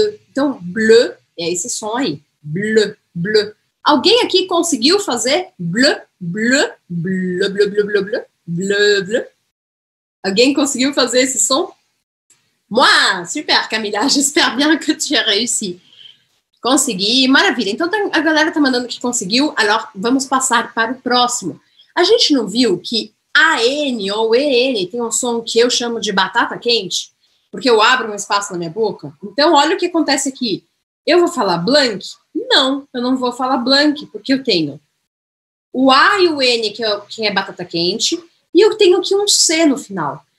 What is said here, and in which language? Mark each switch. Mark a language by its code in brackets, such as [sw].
[pt] Então, bleu é esse som aí. Bleu, bleu. Alguém aqui conseguiu fazer bleu, bleu, bleu, bleu, bleu, bleu, bleu, bleu, bleu? Alguém conseguiu fazer esse som? [fr] Moi, super, Camila, j'espère bien que tu as réussi. [pt] Consegui, maravilha. Então, a galera tá mandando que conseguiu, alors vamos passar para o próximo. A gente não viu que AN ou EN tem um som que eu chamo de batata quente? Porque eu abro um espaço na minha boca? Então, olha o que acontece aqui. Eu vou falar blank? Não, eu não vou falar blank, porque eu tenho o A e o N, que é batata quente, e eu tenho aqui um C no final.